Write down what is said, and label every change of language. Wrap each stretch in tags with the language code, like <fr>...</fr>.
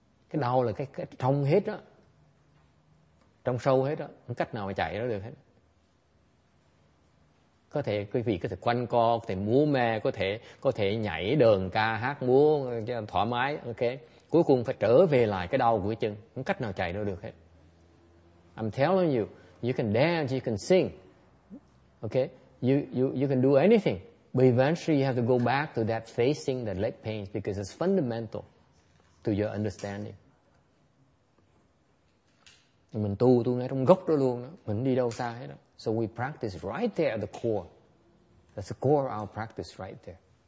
<vi>Cái đau là cái trong hết đó, trong sâu hết đó, không cách nào mà chạy nó được hết. Có thể quý vị có thể quanh co, có thể múa me, có thể nhảy đờn ca hát múa thoải mái, ok, cuối cùng phải trở về lại cái đau của cái chân, không cách nào chạy nó được hết.</vi> <en>I'm telling you, you can dance, you can sing, ok, you can do anything, but eventually you have to go back to that facing the leg pain because it's fundamental to your understanding.</en> <vi>Mình tu ngay trong gốc đó luôn đó, mình đi đâu xa hết đó.</vi> <en>So we practice right there at the core. That's the core of our practice right there.</en>